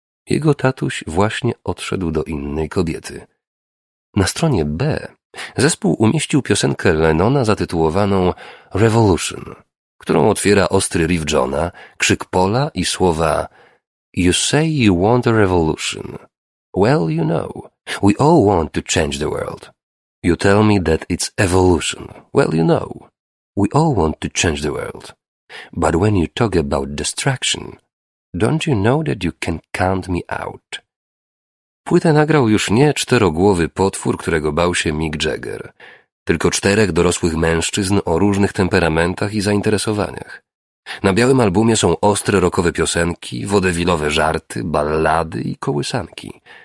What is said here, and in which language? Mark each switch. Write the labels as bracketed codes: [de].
[pl] Jego tatuś właśnie odszedł do innej kobiety. Na stronie B zespół umieścił piosenkę Lennona zatytułowaną Revolution, którą otwiera ostry riff Johna, krzyk Paula i słowa [en] You say you want a revolution. Well, you know, we all want to change the world. You tell me that it's evolution. Well, you know, we all want to change the world. But when you talk about destruction, don't you know that you can count me out? [pl] Płytę nagrał już nie czterogłowy potwór, którego bał się Mick Jagger, tylko czterech dorosłych mężczyzn o różnych temperamentach i zainteresowaniach. Na białym albumie są ostre rockowe piosenki, wodewilowe żarty, ballady i kołysanki.